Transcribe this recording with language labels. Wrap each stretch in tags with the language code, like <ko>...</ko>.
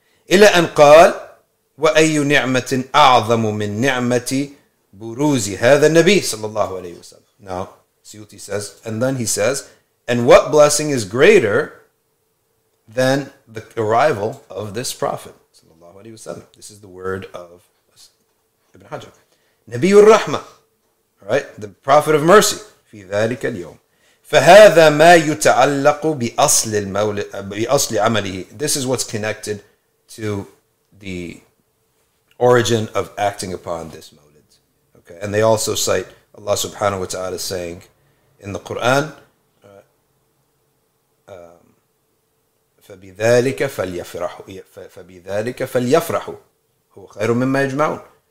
<ar>إلى أن قال وأي نعمة أعظم من نعمة بروز هذا النبي صلى الله عليه وسلم.</ar> <en>Now Suyuti says, and then he says, and what blessing is greater than the arrival of this prophet صلى الله عليه وسلم. This is the word of Ibn Hajar.</en> <ar>نبي الرحمة,</ar> <en>right, the prophet of mercy.</en> <ar>في ذلك اليوم. فهذا ما يتعلق بأصل المولد بأصل عمله.</ar> <en>This is what's connected to the origin of acting upon this mawlid. Okay, and they also cite Allah subhanahu wa ta'ala saying in the Quran,</en> <ar>فبذلك فليفرحوا فبذلك فليفرحوا هو خير مما يجمعون.</ar>